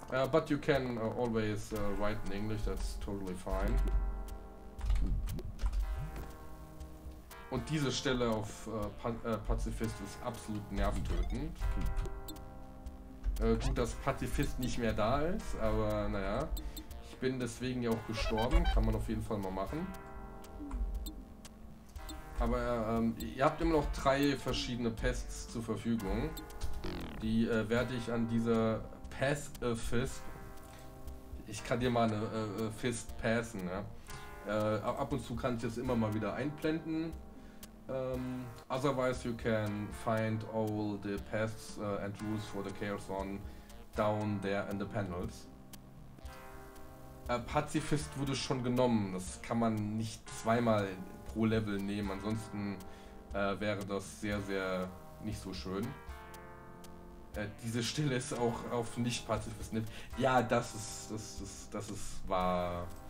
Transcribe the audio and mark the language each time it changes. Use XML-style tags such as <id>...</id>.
<en>But you can always write in English, that's totally fine.</en> <de>Und diese Stelle auf Pazifist ist absolut nerventötend. Gut, dass Pazifist nicht mehr da ist, aber naja. Ich bin deswegen ja auch gestorben, kann man auf jeden Fall mal machen. Aber ihr habt immer noch drei verschiedene Pests zur Verfügung. Die werde ich an dieser Pass-Fist. Ich kann dir mal eine Fist passen, ja. Ab und zu kann ich das immer mal wieder einblenden.</de> <en>Otherwise you can find all the paths and rules for the Chaos One down there in the panels.</en> <de>Pazifist wurde schon genommen, das kann man nicht zweimal pro Level nehmen, ansonsten wäre das sehr, sehr nicht so schön. Diese Stelle ist auch auf Nicht-Pazifist nicht. Ja, das ist wahr.</de>